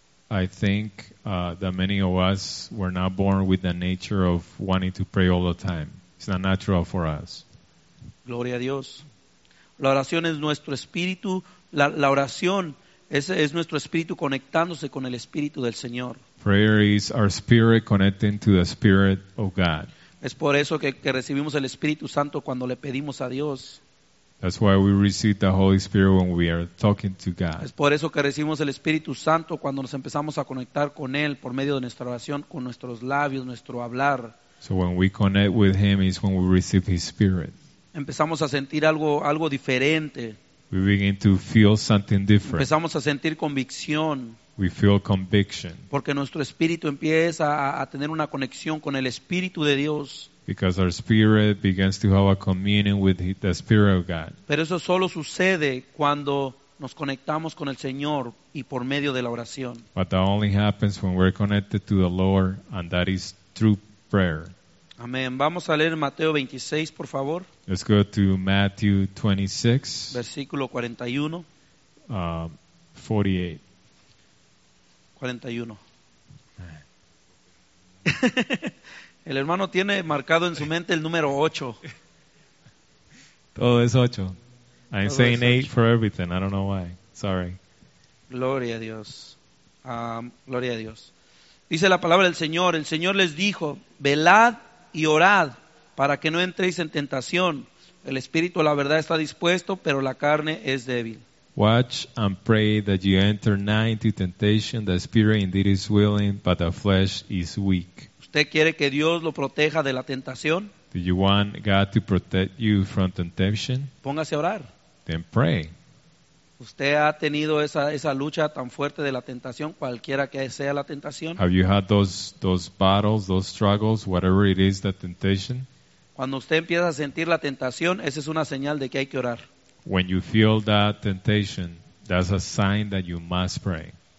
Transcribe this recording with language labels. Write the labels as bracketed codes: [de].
[en] I think that many of us were not born with the nature of wanting to pray all the time. It's not natural for us. [es] Gloria a Dios. La oración es nuestro espíritu, la oración es nuestro espíritu conectándose con el Espíritu del Señor. [en] Prayer is our spirit connecting to the Spirit of God. [es] Es por eso que recibimos el Espíritu Santo cuando le pedimos a Dios. [en] That's why we receive the Holy Spirit when we are talking to God. [es] Es por eso que recibimos el Espíritu Santo cuando nos empezamos a conectar con Él por medio de nuestra oración, con nuestros labios, nuestro hablar. [en] So when we connect with Him is when we receive His Spirit. [es] Empezamos a sentir algo diferente. [en] We begin to feel something different. [es] Empezamos a sentir convicción. [en] We feel conviction. [es] Porque nuestro espíritu empieza a tener una conexión con el Espíritu de Dios. [en] Because our spirit begins to have a communion with the Spirit of God. [es] Pero eso solo sucede cuando nos conectamos con el Señor y por medio de la oración. [en] But that only happens when we're connected to the Lord, and that is through prayer. [es] Amén. Vamos a leer Mateo 26, por favor. [en] Let's go to Matthew 26. [es] Versículo 41. [en] 48. [es] 41. El hermano tiene marcado en su mente el número 8. Todo es 8. [en] I'm saying 8 for everything. I don't know why. Sorry. [es] Gloria a Dios. Gloria a Dios. Dice la palabra del Señor. El Señor les dijo, velad y orad para que no entréis en tentación. El espíritu, la verdad, está dispuesto, pero la carne es débil. [en] Watch and pray that you enter not into temptation. The spirit indeed is willing, but the flesh is weak. [es] ¿Usted quiere que Dios lo proteja de la tentación? [en] Do you want God to protect you from temptation? [es] Póngase a orar. [en] Then pray. [es] ¿Usted ha tenido esa lucha tan fuerte de la tentación, cualquiera que sea la tentación? [en] Have you had those battles, those struggles, whatever it is, the temptation? [es] Cuando usted empieza a sentir la tentación, esa es una señal de que hay que orar. [en] When you feel that temptation, that's a sign that you must pray.